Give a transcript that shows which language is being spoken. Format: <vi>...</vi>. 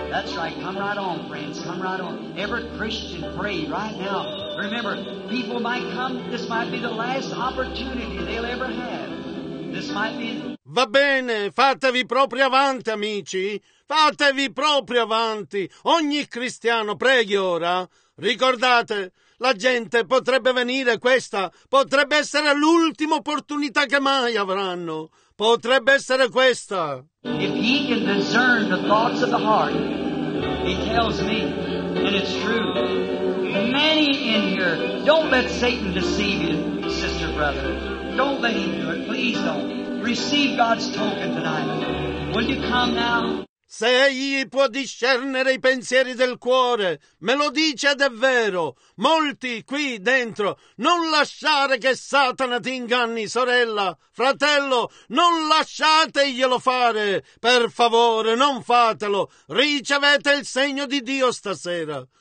<en>That's right, come right on, friends, come right on. Every Christian, pray right now. Remember, people might come, this might be the last opportunity they'll ever have. This might be...</en> <it>Va bene, fatevi proprio avanti, amici. Fatevi proprio avanti. Ogni cristiano, preghi ora. Ricordate... La gente potrebbe venire, questa potrebbe essere l'ultima opportunità che mai avranno. Potrebbe essere questa.</it> <en>If he can discern the thoughts of the heart, he tells me, and it's true, many in here, don't let Satan deceive you, sister, brother. Don't let him do it, please don't. Receive God's token tonight. Will you come now?</en> <it>Se egli può discernere i pensieri del cuore, me lo dice ed è vero. Molti qui dentro, non lasciare che Satana ti inganni, sorella, fratello, non lasciateglielo fare. Per favore, non fatelo. Ricevete il segno di Dio stasera.</it>